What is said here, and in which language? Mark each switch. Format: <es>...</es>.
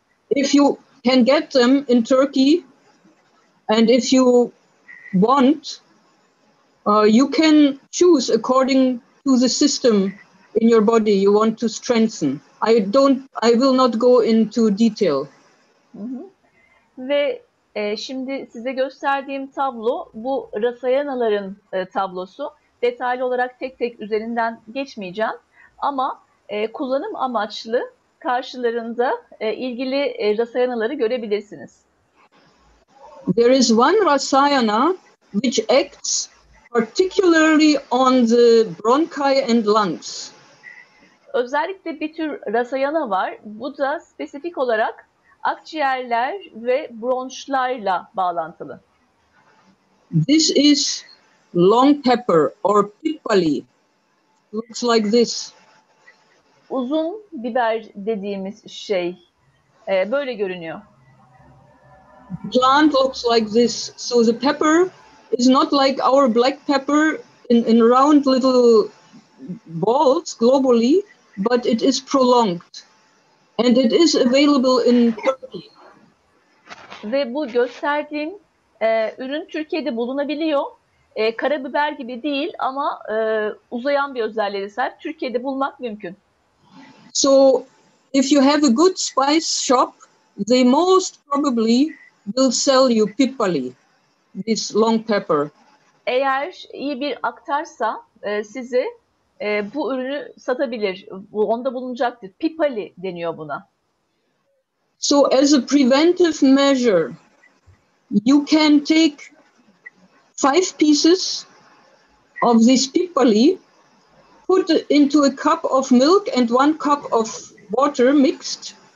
<en>If you can get them in Turkey, and if you want, you can choose according to the system in your body you want to strengthen. I will not go into detail.</en> <tr>Ve şimdi size gösterdiğim tablo bu rasayanaların tablosu. Detaylı olarak tek tek üzerinden geçmeyeceğim ama kullanım amaçlı karşılarında ilgili rasayanaları görebilirsiniz.</tr> <en>there is one rasayana which acts particularly on the bronchi and lungs.</en> <tr>Özellikle bir tür rasayana var. Bu da spesifik olarak akciğerler ve bronşlarla bağlantılı.</tr> <en>This is long pepper or pippali. Looks like this.</en> <tr>Uzun biber dediğimiz şey böyle görünüyor.</tr> <en>Plant looks like this. So the pepper is not like our black pepper in round little balls globally, but it is prolonged. And it is available in Turkey.</en> <tr>Ve bu gösterdiğim ürün Türkiye'de bulunabiliyor. Karabiber gibi değil ama uzayan bir özelliği sahip. Türkiye'de bulmak mümkün.</tr> <en>So if you have a good spice shop, they most probably will sell you pippali, this long pepper.</en> <tr>Eğer iyi bir aktarsa size bu ürünü satabilir. Onda bulunacaktır. Pippali deniyor buna.</tr> <en>So as a preventive measure, you can take 5 pieces of this pippali, put into a cup of milk and 1 cup of water mixed.</en>